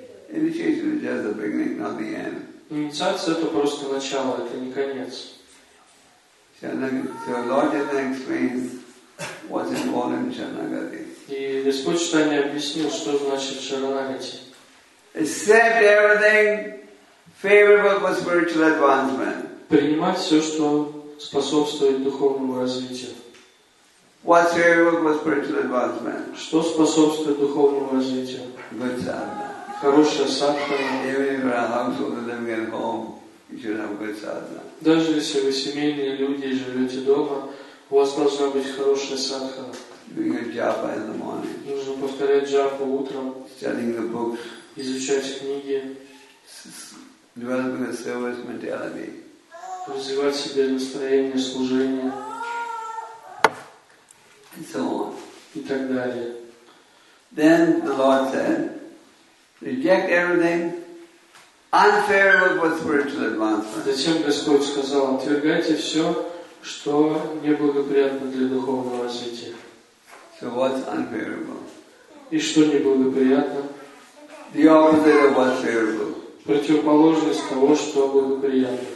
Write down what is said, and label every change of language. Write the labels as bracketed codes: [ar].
[en] Initiation is just the beginning, not the end. [ru] Инициация это просто начало, это не конец. [en] So Lord just explained what's involved in Sharanagati. [ru] И Господь Читания объяснил, что значит Шаранагати. [en] Accept everything favorable for spiritual advancement. [ru] Принимать все, что способствует духовному развитию. [en] What's favorable for spiritual advancement? [ru] Что способствует духовному развитию? [en] Good sadhana. [ru] Хорошая садхана. [en] Even if you're a household and living at home, you should have good sadhana. [ru] Даже если вы семейные люди и живете дома, у вас должна быть хорошая садхана. [en] Doing a japa in the morning. [ru] Нужно повторять джапу утром. [en] Studying the books. [ru] Изучать книги. [en] Developing a service mentality. [ru] Развивать себе настроение служения. [en] And so on. [ru] И так далее. [en] Then the Lord said, reject everything unfavorable for spiritual advancement. [ru] Затем Господь сказал, отвергайте все, что неблагоприятно для духовного развития. [en] So what's unfavorable? [ru] И что неблагоприятно? [en] The opposite of what's favorable. [ru] Противоположность того, что благоприятно.